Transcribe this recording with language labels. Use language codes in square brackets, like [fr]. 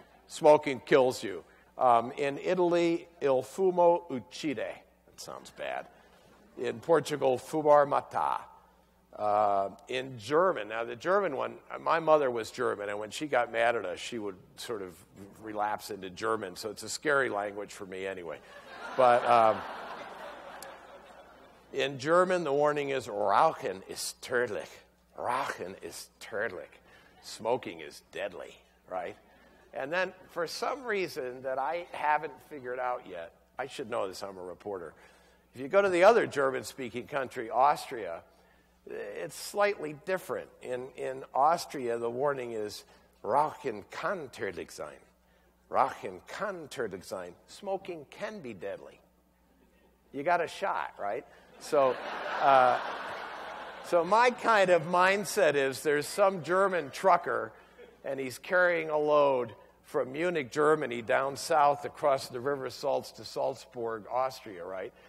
[en] Smoking kills you. In Italy, [it] il fumo uccide. [en] That sounds bad. In Portugal, [pt] fumar mata. [en] In German, now the German one, my mother was German, and when she got mad at us, she would sort of relapse into German, so it's a scary language for me anyway. But in German, the warning is [de] rauchen ist tödlich. Rauchen ist tödlich. [en] Smoking is deadly, right? And then, for some reason that I haven't figured out yet, I should know this, I'm a reporter. If you go to the other German-speaking country, Austria, it's slightly different. In Austria, the warning is, [de] Rauchen kann tödlich sein. Rauchen kann tödlich sein. [en] Smoking can be deadly. You got a shot, right? So, so my kind of mindset is, there's some German trucker, and he's carrying a load from Munich, Germany, down south across the River Salz to Salzburg, Austria, right?